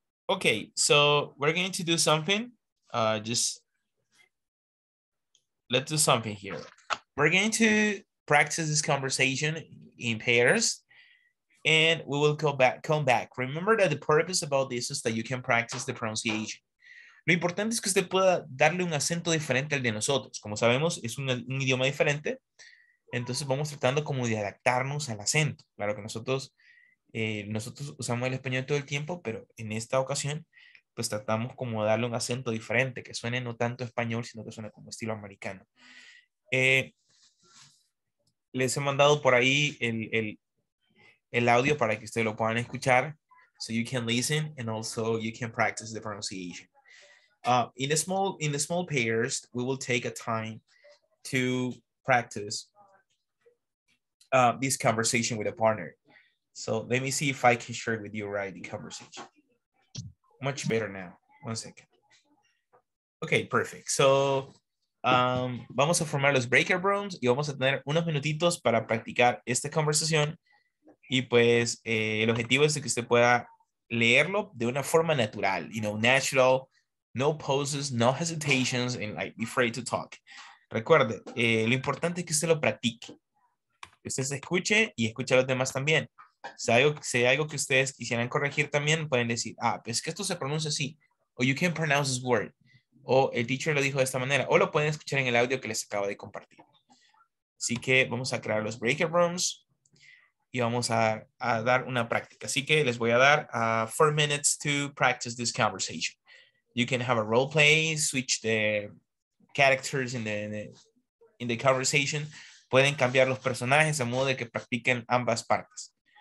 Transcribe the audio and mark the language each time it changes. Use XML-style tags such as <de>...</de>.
<en>Okay, so we're going to do something. Let's do something here. We're going to practice this conversation in pairs, and we will come back. Remember that the purpose about this is that you can practice the pronunciation.</en> <es>Lo importante es que usted pueda darle un acento diferente al de nosotros. Como sabemos, es un idioma diferente. Entonces vamos tratando como de adaptarnos al acento. Claro que nosotros usamos el español todo el tiempo, pero en esta ocasión pues tratamos como de darle un acento diferente, que suene no tanto español, sino que suene como estilo americano. Les he mandado por ahí el audio para que ustedes lo puedan escuchar.</es> <en>So you can listen and also you can practice the pronunciation. In the small pairs, we will take a time to practice this conversation with a partner. So let me see if I can share with you right the conversation. Much better now. One second. Okay, perfect.</en> <es>So vamos a formar los breakout rooms y vamos a tener unos minutitos para practicar esta conversación. Y pues el objetivo es que usted pueda leerlo de una forma natural,</es> <en>you know, natural. No pauses, no hesitations, and like be afraid to talk.</en> <es>Recuerde, lo importante es que usted lo practique. Que usted se escuche y escuche a los demás también. Si hay algo que ustedes quisieran corregir también, pueden decir, pues que esto se pronuncia así. O</es> <en>you can pronounce this word.</en> <es>O el teacher lo dijo de esta manera. O lo pueden escuchar en el audio que les acabo de compartir. Así que vamos a crear los breakout rooms. Y vamos a dar una práctica. Así que les voy a dar 4</es> <en>minutes to practice this conversation. You can have a role play, switch the characters in the conversation.</en> <es>Pueden cambiar los personajes a modo de que practiquen ambas partes.</es>